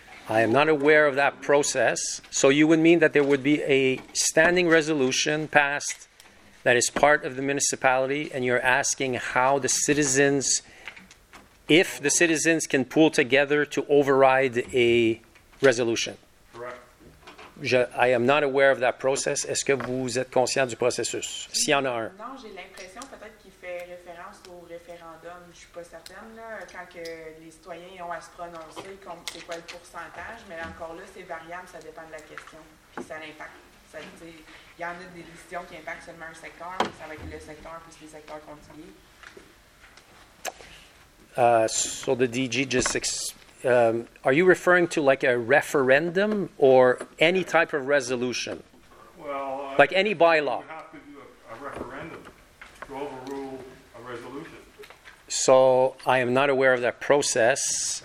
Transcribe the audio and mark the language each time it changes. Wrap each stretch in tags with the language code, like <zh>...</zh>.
<en>I am not aware of that process. So you would mean that there would be a standing resolution passed that is part of the municipality, and you're asking how the citizens, if the citizens can pool together to override a resolution. I am not aware of that process.</en> <fr>Est-ce que vous êtes conscient du processus? S'il y en a un. Non, j'ai l'impression peut-être qu'il fait référence au référendum. Je ne suis pas certaine, là, quand que les citoyens ont à se prononcer, c'est quoi le pourcentage, mais encore là, c'est variable, ça dépend de la question. Puis ça l'impacte. Il y en a des décisions qui impactent seulement un secteur, mais ça va être le secteur plus les secteurs contigués.</fr> <en>So the DG just are you referring to like a referendum or any type of resolution? Well, like any bylaw? You have to do a referendum to overrule a resolution. So I am not aware of that process.</en>